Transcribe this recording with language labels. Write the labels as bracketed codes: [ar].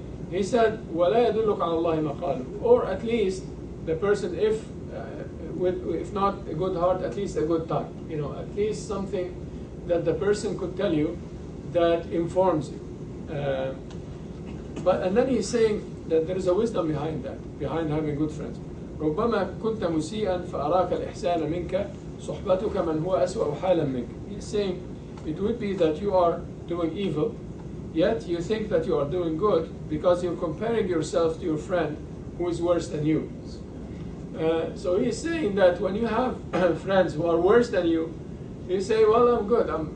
[en] He said, [ar] "ولا يدلك على الله مقال." [en] Or at least, the person, if with, if not a good heart, at least a good tongue. You know, at least something that the person could tell you that informs you. But, and then he's saying that there is a wisdom behind that, behind having good friends. [ar] ربما كنت مسيئا فأراك الإحسان منك صحبتك من هو أسوأ حالا منك. [en] He's saying it would be that you are doing evil, yet you think that you are doing good because you're comparing yourself to your friend who is worse than you. So he's saying that when you have friends who are worse than you, you say, well, I'm good.